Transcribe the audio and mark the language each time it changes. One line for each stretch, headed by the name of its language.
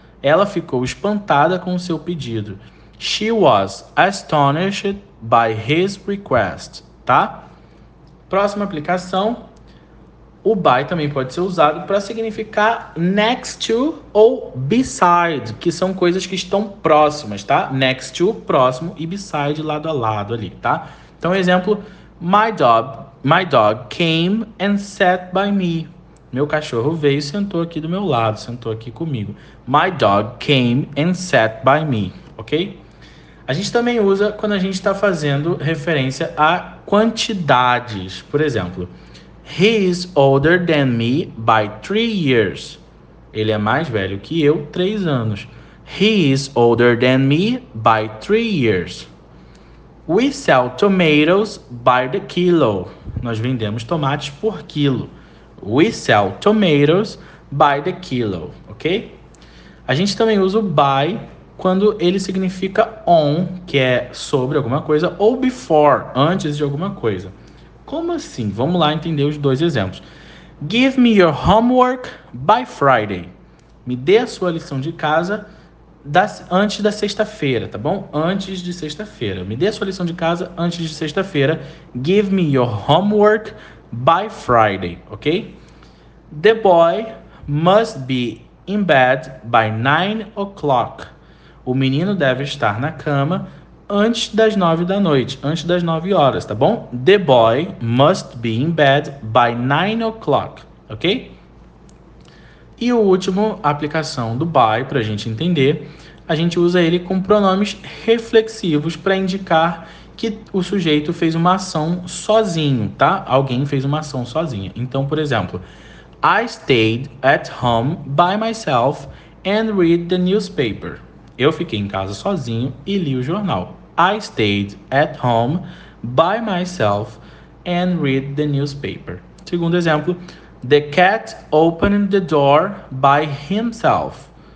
Portuguese: Ela ficou espantada com o seu pedido.
English: She was astonished by his request,
Portuguese: tá? Próxima aplicação. O by também pode ser usado para significar next to ou beside, que são coisas que estão próximas, tá? Next to, próximo, e beside, lado a lado ali, tá? Então, exemplo,
English: my dog came and sat by me.
Portuguese: Meu cachorro veio e sentou aqui do meu lado, sentou aqui comigo.
English: My dog came and sat by me, ok?
Portuguese: A gente também usa quando a gente está fazendo referência a quantidades. Por exemplo,
English: he is older than me by 3 years.
Portuguese: Ele é mais velho que eu, 3 anos.
English: He is older than me by 3 years. We sell tomatoes by the kilo.
Portuguese: Nós vendemos tomates por quilo.
English: We sell tomatoes by the kilo, ok?
Portuguese: A gente também usa o by quando ele significa on, que é sobre alguma coisa, ou before, antes de alguma coisa. Como assim? Vamos lá entender os dois exemplos.
English: Give me your homework by Friday.
Portuguese: Me dê a sua lição de casa antes da sexta-feira, tá bom? Antes de sexta-feira. Me dê a sua lição de casa antes de sexta-feira.
English: Give me your homework by Friday, ok? The boy must be in bed by 9 o'clock.
Portuguese: O menino deve estar na cama antes das 9 da noite, antes das 9 horas, tá bom?
English: The boy must be in bed by 9 o'clock, ok?
Portuguese: E o último, a aplicação do by, para a gente entender, a gente usa ele com pronomes reflexivos para indicar que o sujeito fez uma ação sozinho, tá? Alguém fez uma ação sozinha. Então, por exemplo,
English: I stayed at home by myself and read the newspaper.
Portuguese: Eu fiquei em casa sozinho e li o jornal.
English: I stayed at home by myself and read the newspaper.
Portuguese: Segundo exemplo,
English: the cat opened the door by himself.